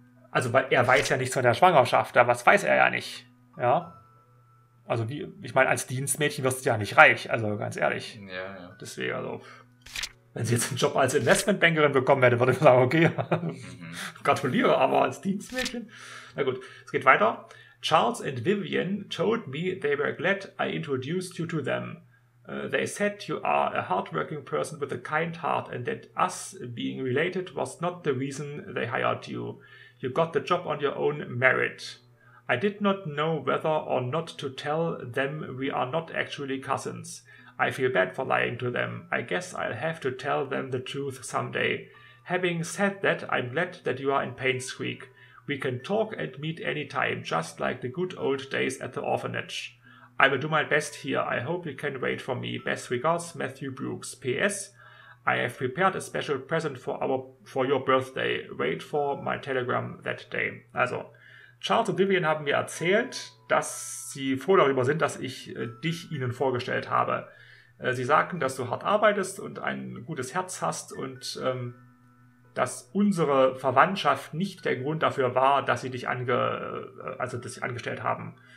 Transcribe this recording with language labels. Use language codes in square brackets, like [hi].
[de] Also, weil er weiß ja nichts von der Schwangerschaft, da was weiß er ja nicht. Ja? Also, wie, ich meine, als Dienstmädchen wirst du ja nicht reich, also ganz ehrlich. Ja. Deswegen, also, wenn sie jetzt einen Job als Investmentbankerin bekommen hätte, würde ich sagen, okay, gratuliere, aber als Dienstmädchen? Na gut, es geht weiter. [en] Charles and Vivian told me they were glad I introduced you to them. They said you are a hardworking person with a kind heart and that us being related was not the reason they hired you. You got the job on your own merit. I did not know whether or not to tell them we are not actually cousins. I feel bad for lying to them. I guess I'll have to tell them the truth someday. Having said that, I'm glad that you are in Payne's Creek. We can talk and meet anytime, just like the good old days at the orphanage. I will do my best here. I hope you can wait for me. Best regards, Matthew Brooks. P.S. I have prepared a special present for your birthday. Wait for my telegram that day. [de] Also, Charles und Vivian haben mir erzählt, dass sie froh darüber sind, dass ich dich ihnen vorgestellt habe. Sie sagten, dass du hart arbeitest und ein gutes Herz hast und dass unsere Verwandtschaft nicht der Grund dafür war, dass sie dich dass sie angestellt haben.